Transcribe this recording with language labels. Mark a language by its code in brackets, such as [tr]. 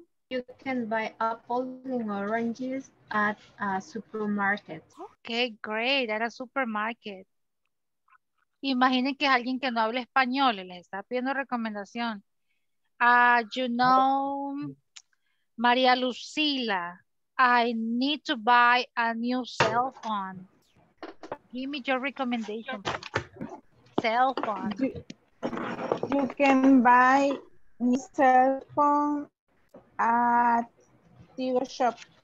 [en] You can buy apples and oranges at a supermarket. Okay, great, at a supermarket. [es] Imaginen que es alguien que no habla español y les está pidiendo recomendación. [en] You know, María Lucila, I need to buy a new cell phone. Give me your recommendation. Cell phone. You can buy a new cell phone at the dealership.